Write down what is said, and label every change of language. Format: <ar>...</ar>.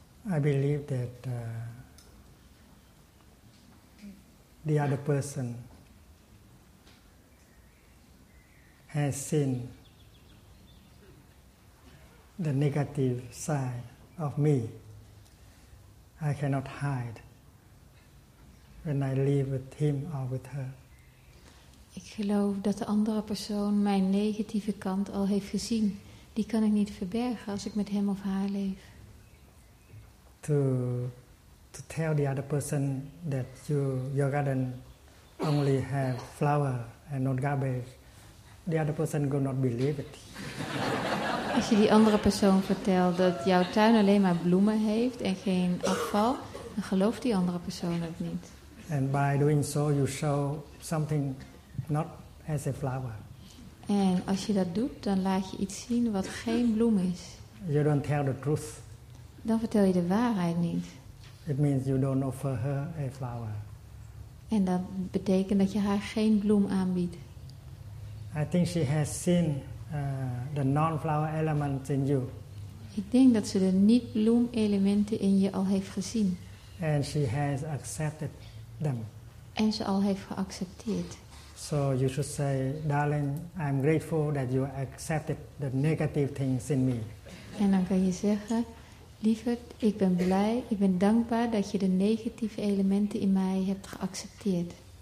<en>I believe that the other person has seen the negative side of me. I cannot hide when I live with him or with her.</en> <nl>Ik geloof dat de andere persoon mijn negatieve kant al heeft gezien. Die kan ik niet verbergen als ik met hem of haar leef.</nl> <en>To tell the other person that your garden only have flower and not garbage, the other person will not believe it.</en> <nl>Als je die andere persoon vertelt dat jouw tuin alleen maar bloemen heeft en geen afval, dan gelooft die andere persoon het niet.</nl> <en>And by doing so, you show something not as a flower.</en> <nl>En als je dat doet, dan laat je iets zien wat geen bloem is.</nl> <en>You don't tell the truth.</en> <nl>Dan vertel je de waarheid niet.</nl> <en>It means you don't offer her a flower.</en> <nl>En dat betekent dat je haar geen bloem aanbiedt.</nl> <en>I think she has seen the non-flower element in you.</en> <nl>Ik denk dat ze de niet-bloem elementen in je al heeft gezien.</nl> <en>And she has accepted them.</en> <nl>En ze al heeft geaccepteerd.</nl> <en>So you should say, darling, I'm grateful that you accepted the negative things in me.</en> <nl>En dan kan je zeggen, lieverd, ik ben blij, ik ben dankbaar dat je de negatieve elementen in mij hebt geaccepteerd.</nl>